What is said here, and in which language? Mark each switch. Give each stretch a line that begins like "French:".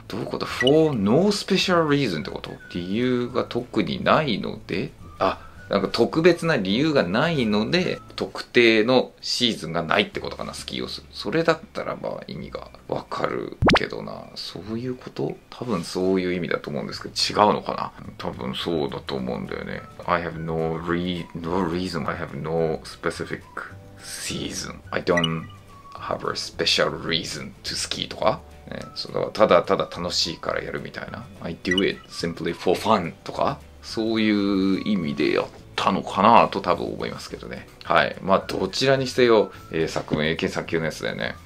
Japanese: どういうこと ?
English: for no special reason
Japanese: ってこと?理由が特にないので、あ、なんか特別な理由がないので、特定のシーズンがないってことかな、スキーをする。それだったらまあ意味がわかるけどな。そういうこと?多分そういう意味だと思うんですけど、違うのかな? 多分そうだと思うんだよね。
English: I have no reason, I have no specificseason. I don't have a special reason to ski
Japanese: とか、ね、そのただただ楽しいからやるみたいな。
English: I do it simply for fun
Japanese: とか、そういう意味でやったのかなと多分思いますけどね。はい。まあ、どちらにせよ、英作文、英検3級のやつだよね。